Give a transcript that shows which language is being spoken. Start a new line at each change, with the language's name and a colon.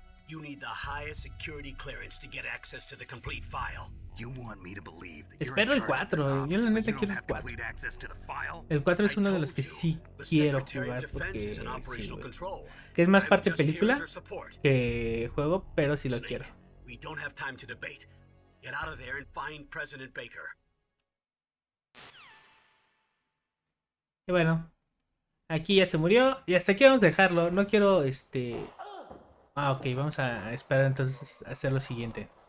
English: You need the highest security clearance to get access to the complete file. You want me to believe that you're in charge of this op.
Spanish: Espero el 4. Yo la neta quiero el 4. El 4 es uno de los que sí quiero jugar porque sí, que es más parte película que juego, pero sí lo quiero.
English: We don't have time to debate. Get out of there and find President Baker.
Spanish: Y bueno, aquí ya se murió y hasta aquí vamos a dejarlo. No quiero Ah, ok, vamos a esperar entonces a hacer lo siguiente.